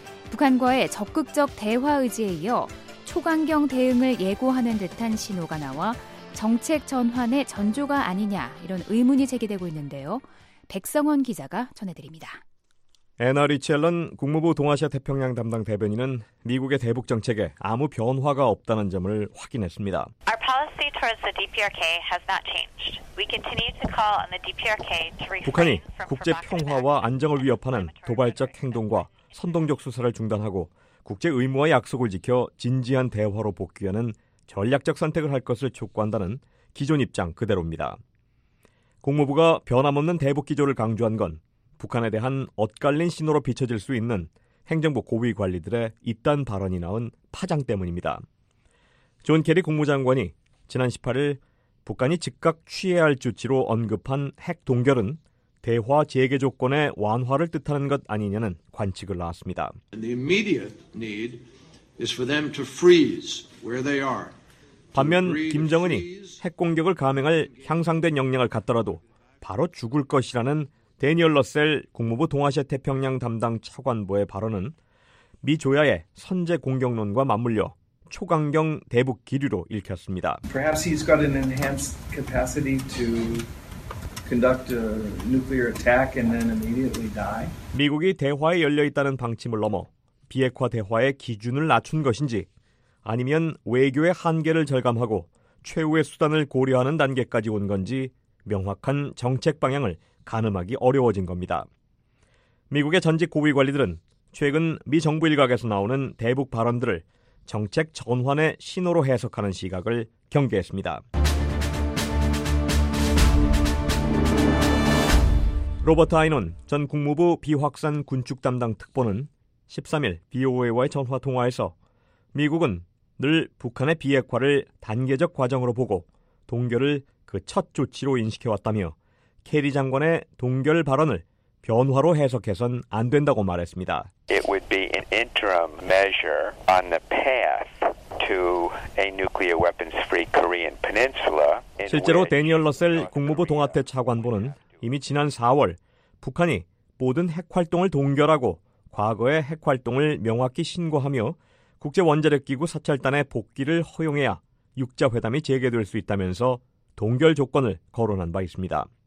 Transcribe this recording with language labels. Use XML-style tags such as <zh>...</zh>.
<ko>북한과의 적극적 대화 의지에 이어 초강경 대응을 예고하는 듯한 신호가 나와 정책 전환의 전조가 아니냐 이런 의문이 제기되고 있는데요. 백성원 기자가 전해드립니다. 애나 리첼런 국무부 동아시아 태평양 담당 대변인은 미국의 대북 정책에 아무 변화가 없다는 점을 확인했습니다.</ko> <en>Our policy towards the DPRK has not changed. We continue to call on the DPRK to refrain.</en> <ko>북한이 국제 평화와 안정을 위협하는 도발적 행동과 선동적 수사를 중단하고 국제 의무와 약속을 지켜 진지한 대화로 복귀하는 전략적 선택을 할 것을 촉구한다는 기존 입장 그대로입니다. 국무부가 변함없는 대북 기조를 강조한 건 북한에 대한 엇갈린 신호로 비춰질 수 있는 행정부 고위 관리들의 잇단 발언이 낳은 파장 때문입니다. 존 케리 국무장관이 지난 18일 북한이 즉각 취해야 할 조치로 언급한 핵 동결은 대화 재개 조건의 완화를 뜻하는 것 아니냐는 관측을 낳았습니다.</ko> <en>The immediate need is for them to freeze where they are.</en> <ko>반면 김정은이 핵 공격을 감행할 향상된 역량을 갖더라도 바로 죽을 것이라는 대니얼 러셀 국무부 동아시아 태평양 담당 차관보의 발언은 미 조야의 선제 공격론과 맞물려 초강경 대북 기류로 읽혔습니다.</ko> <en>Perhaps he's got an enhanced capacity to conduct a nuclear attack and then immediately die.</en> <ko>미국이 대화에 열려 있다는 방침을 넘어 비핵화 대화의 기준을 낮춘 것인지 아니면 외교의 한계를 절감하고 최후의 수단을 고려하는 단계까지 온 건지 명확한 정책 방향을 가늠하기 어려워진 겁니다. 미국의 전직 고위 관리들은 최근 미 정부 일각에서 나오는 대북 발언들을 정책 전환의 신호로 해석하는 시각을 경계했습니다. 로버트 아이논 전 국무부 비확산 군축 담당 특보는 13일 BOA와의 전화 통화에서 미국은 늘 북한의 비핵화를 단계적 과정으로 보고 동결을 그 첫 조치로 인식해왔다며 케리 장관의 동결 발언을 변화로 해석해선 안 된다고 말했습니다.</ko> <en>It would be an interim measure on the path to a nuclear weapons-free Korean peninsula.</en> <ko>실제로 대니얼 러셀 국무부 동아태 차관보는 이미 지난 4월 북한이 모든 핵활동을 동결하고 과거의 핵활동을 명확히 신고하며 국제원자력기구 사찰단의 복귀를 허용해야 6자회담이 재개될 수 있다면서 동결 조건을 거론한 바 있습니다.</ko>